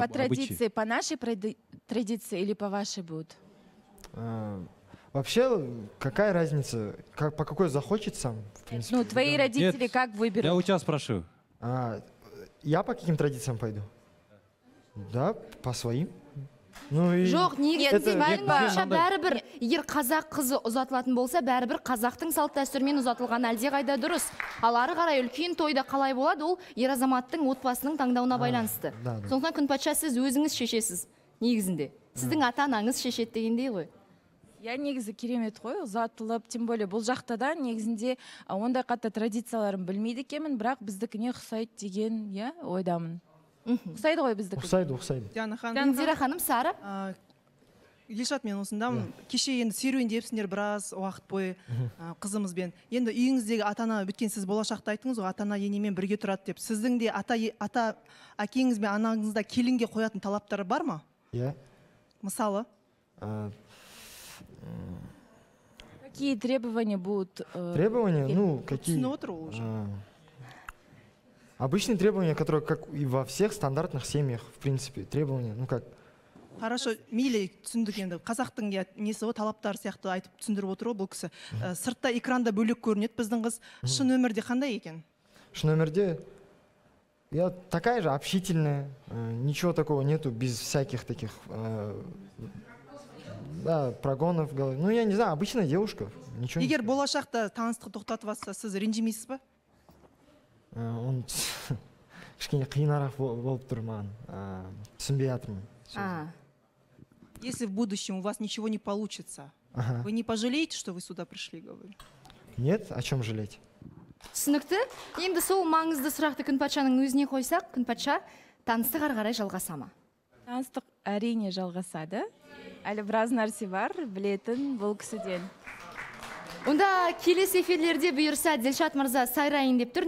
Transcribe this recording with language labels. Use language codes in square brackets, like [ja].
[ru] по традиции, по нашей традиции или по вашей будут? Вообще, какая разница, как, по какой захочет сам? В принципе, ну, твои да. родители Нет, как выберут? Я у тебя спрошу. Я по каким традициям пойду? Да, по своим. Ну, и [kk] жоқ, негізі мәлім бойынша бәрібір, егер қазақ қызы ұзатылатын болса, бәрібір қазақтың салт-дәстүрмен ұзатылған әлде қайда дұрыс. Ал ары қарай үлкен тойда қалай болады, ол ер азаматтың отбасының таңдауына байланысты. [ru] Да, да. [kk] Сондықтан күнпатша, сіз өзіңіз шешесіз негізінде. Сіздің ата-анаңыз шешет дегендей ғой. Я негізі керемет қой, ұзатылып, [ru] тем более [kk] бұл жақта да негізінде ондай қатты традицияларын білмейді екенмін, бірақ біздікіне ұқсайды деген, иә, ойдамын. Ұқсайды ғой біздікі. Ұқсайды, ұқсайды. Диана ханым. Индира ханым, Сара. Елшат, мен осында кеше енді серуен депсіңдер біраз уақыт бойы қызымызбен. Енді үйіңіздегі ата-ана біткен, сіз болашақта айттыңыз ғой, ата-ана енемен бірге тұрады деп. Сіздің де ата әкеңіз бен анаңызда келінге қоятын талаптары бар ма? Иә. Мысалы? [ru] Какие требования будут? Требования? Ну, какие? [kk] Түсініп отыр ол [ru] уже. Обычные требования, которые, как и во всех стандартных семьях, в принципе, требования, ну как... Хорошо, [kk] мейлі түсіндік енді, қазақтың несі ғой, талаптары сияқты айтып түсіндіріп отыр ғой бұл кісі. Сыртта экранда бөлек көрінеді біздің қыз. Шын өмірде қандай екен? Шын өмірде, [ru] я такая же общительная, ничего такого нету без всяких таких, да, прогонов, ну я не знаю, обычная девушка, ничего [kk] не... Егер болашақта таныстық тоқтатып алса, сіз ренжімейсіз ба? Он кішкене қиынырақ болып тұр маған, түсінбей жатырмын. [ru] Если в будущем у вас ничего не получится, вы не пожалеете, что вы сюда пришли, говорю? Нет, о чем жалеть? [kk] Түсінікті. Енді сол маңызды сұрақты күнпатшаның өзіне қойсақ, күнпатша, таныстық ары қарай жалғаса ма? Таныстық әрине жалғасады. Әлі біраз нәрсе бар білетін бұл кісіден. Онда келесі эфирлерде бұйырса Дилшат мырза сайрайын деп тұр.